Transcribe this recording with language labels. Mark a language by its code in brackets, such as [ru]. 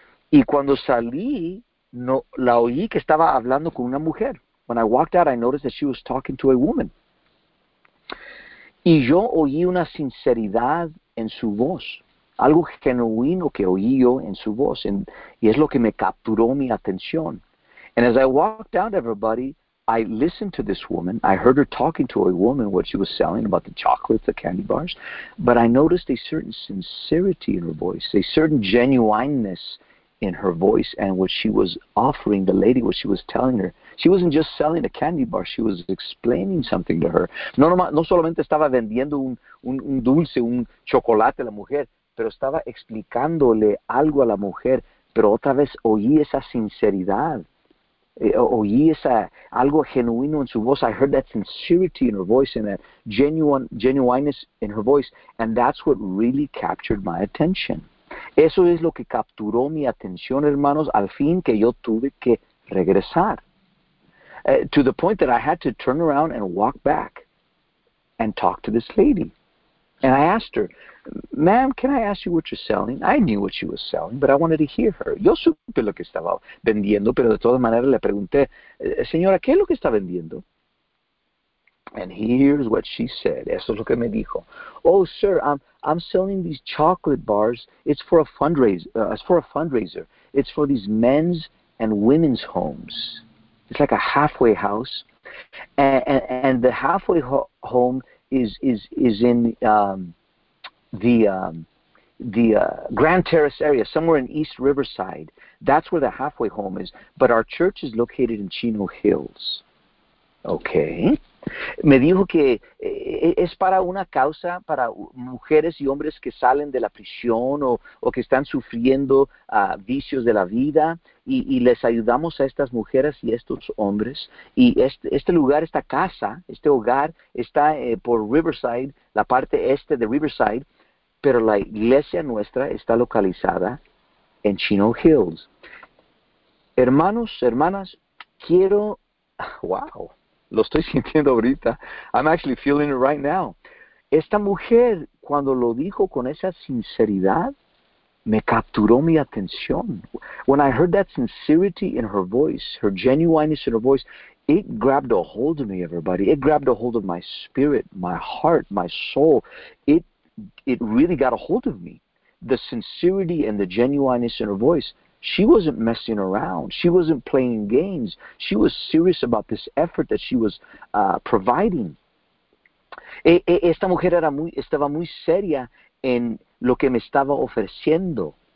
[es] Y cuando salí, la oí que estaba hablando con una mujer. [en] When I walked out, I noticed that she was talking to a woman. [es] Y yo oí una sinceridad en su voz. Algo genuino que oí yo en su voz. Y es lo que me capturó mi atención. [en] And as I walked out, everybody, I listened to this woman. I heard her talking to a woman, what she was selling about the chocolates, the candy bars. But I noticed a certain sincerity in her voice, a certain genuineness in her voice and what she was offering the lady, what she was telling her. She wasn't just selling a candy bar. She was explaining something to her. [es] No solamente estaba vendiendo un dulce, un chocolate a la mujer, pero estaba explicándole algo a la mujer. Pero otra vez oí esa sinceridad. Oí esa algo genuino en su voz. [en] I heard that sincerity in her voice and that genuineness in her voice, and that's what really captured my attention. [es] Eso es lo que capturó mi atención, hermanos, al fin que yo tuve que regresar. [en] To the point that I had to turn around and walk back and talk to this lady. And I asked her, ma'am, can I ask you what you're selling? I knew what she was selling, but I wanted to hear her. [es] Yo supe lo que estaba vendiendo, pero de todas maneras le pregunté, señora, ¿qué es lo que está vendiendo? [en] And here's what she said. [es] Eso es lo que me dijo. [en] Oh, sir, I'm selling these chocolate bars. It's for a fundraiser. It's for these men's and women's homes. It's like a halfway house. And the halfway home is in the Grand Terrace area, somewhere in East Riverside. That's where the halfway home is. But our church is located in Chino Hills. Okay. [es] Me dijo que es para una causa para mujeres y hombres que salen de la prisión o que están sufriendo vicios de la vida y les ayudamos a estas mujeres y estos hombres. Y este lugar, esta casa, este hogar está por Riverside, la parte este de Riverside, pero la iglesia nuestra está localizada en Chino Hills. Hermanos, hermanas, quiero... ¡Wow! Lo estoy sintiendo ahorita. [en] I'm actually feeling it right now. [es] Esta mujer, cuando lo dijo con esa sinceridad, me capturó mi atención. [en] When I heard that sincerity in her voice, her genuineness in her voice, it grabbed a hold of me, everybody. It grabbed a hold of my spirit, my heart, my soul. It really got a hold of me. The sincerity and the genuineness in her voice, she wasn't messing around. She wasn't playing games. She was serious about this effort that she was providing. [es] Esta mujer estaba muy seria en lo que me estaba ofreciendo.